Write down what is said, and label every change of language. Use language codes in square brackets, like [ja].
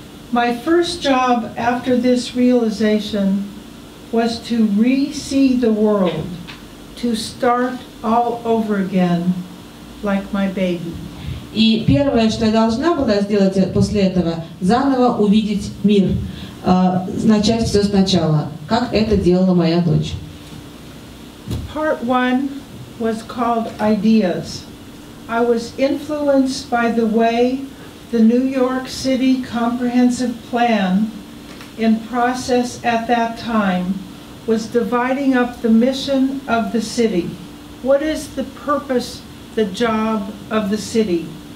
[en] My first job after this realization was to re-see the world, to start all over again, like my baby. [ru] И первое, что я должна была сделать после этого, заново увидеть мир, начать все сначала, как это делала моя дочь. [en] Part one was called Ideas. I was influenced by the way the New York City Comprehensive Plan in process at that time was dividing up the mission of the city. What is the purpose, the job of the city?